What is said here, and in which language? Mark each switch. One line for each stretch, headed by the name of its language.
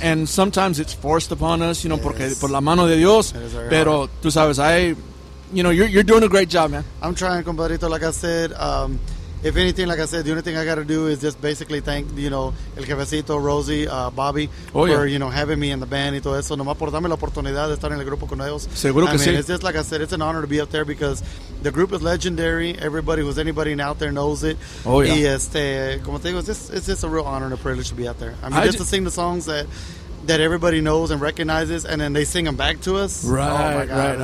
English: and sometimes it's forced upon us, you know. Yes.
Spanish: Porque por la mano de Dios. Pero
English: hard.
Spanish: Tú sabes,
English: you're doing a great job, man. I'm trying, compadrito. Like I said, if anything, like I said, the only thing I got to do is just basically thank, you know, El Jefecito, Rosie, Bobby, you know, having me in the band and
Spanish: todo eso. Nomás por darme la oportunidad de estar en el grupo con ellos. Seguro que sí.
English: I mean, it's just like I said, it's an honor to be up there because the group is legendary. Everybody who's anybody out there knows it. Oh, yeah.
Spanish: Y como te digo,
English: it's just a real honor and a privilege to be out there. I mean, just to sing the songs that everybody knows and recognizes, and then they sing them back to us. Right, oh my God,